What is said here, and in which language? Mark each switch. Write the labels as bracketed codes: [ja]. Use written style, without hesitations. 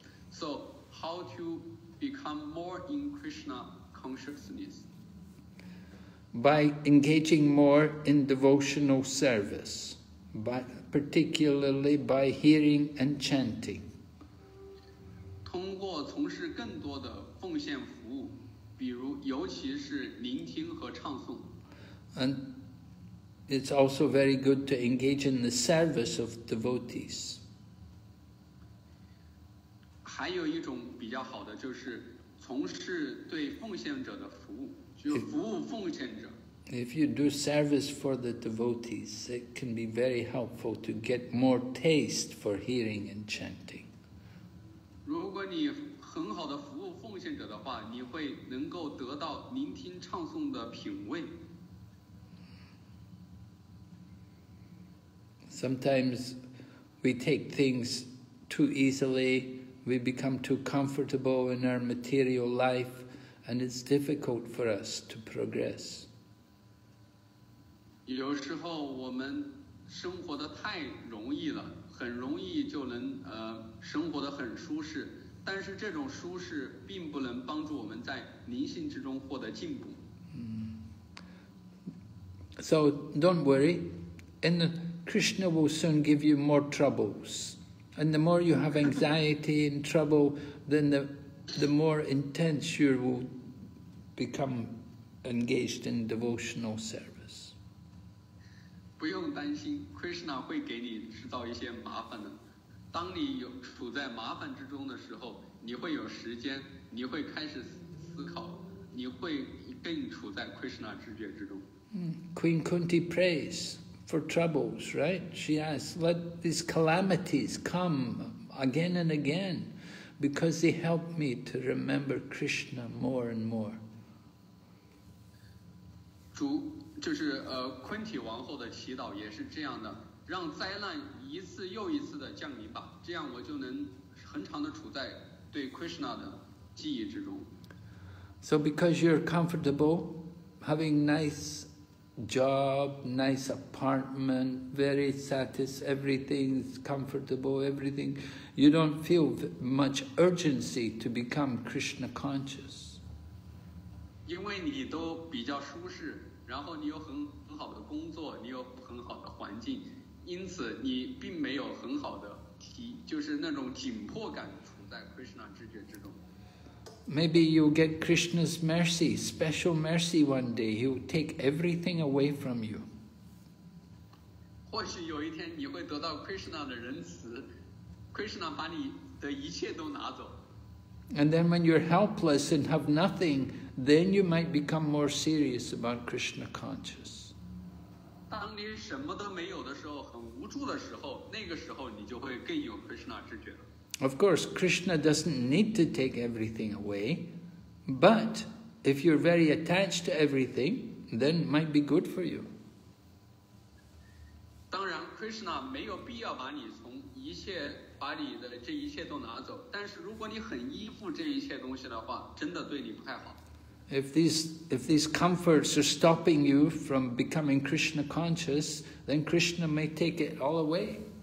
[en] So how to become more in Krishna consciousness? By engaging more in devotional service, but particularly by hearing and chanting. [zh] 通过从事更多的奉献服务，比如尤其是聆听和唱诵。 [en] And it's also very good to engage in the service of devotees. [zh] 还有一种比较好的就是从事对奉献者的服务，就是服务奉献者。 [en] If you do service for the devotees, it can be very helpful to get more taste for hearing and chanting. [zh] 如果你很好的服务奉献者的话，你会能够得到聆听唱诵的品味。 [en] Sometimes we take things too easily, we become too comfortable in our material life, and it's difficult for us to progress. [zh] 有时候我们生活的太容易了，很容易就能生活得很舒适，但是这种舒适并不能帮助我们在灵性之中获得进步。 [en] So don't worry, and Krishna will soon give you more troubles. And the more you have anxiety and trouble, then the more intense you will become engaged in devotional service. [zh] 不用担心 ，Krishna 会给你制造一些麻烦的。当你有处在麻烦之中的时候，你会有时间，你会开始思考，你会更处在 Krishna 知觉之中。 [en] Queen Kunti prays for troubles, right? She asks, "Let these calamities come again and again, because they help me to remember Krishna more and more." [zh] 主。就是昆体王后的祈祷也是这样的，让灾难一次又一次的降临吧，这样我就能恒常的处在对 Krishna 的记忆之中。 [en] So because you're comfortable, having nice job, nice apartment, very satisfied, everything's comfortable, everything, you don't feel much urgency to become Krishna conscious. [zh] 因为你都比较舒适。然后你有很好的工作，你有很好的环境，因此你并没有很好的就是那种紧迫感处在 Krishna 知觉之中。 [en] Maybe you'll get Krishna's mercy, special mercy one day. He'll take everything away from you. [zh] 或许有一天你会得到 Krishna 的仁慈， Krishna 把你的一切都拿走。 [en] And then when you're helpless and have nothing, then you might become more serious about Krishna consciousness. [zh] 当你什么都没有的时候，很无助的时候，那个时候你就会更有 Krishna 知觉了。 [en] Of course, Krishna doesn't need to take everything away, but if you're very attached to everything, then it might be good for you. [zh] 当然 ，Krishna 没有必要把你从一切把你的这一切都拿走，但是如果你很依附这一切东西的话，真的对你不太好。 [en] If these comforts are stopping you from becoming Krishna conscious, then Krishna may take it all away.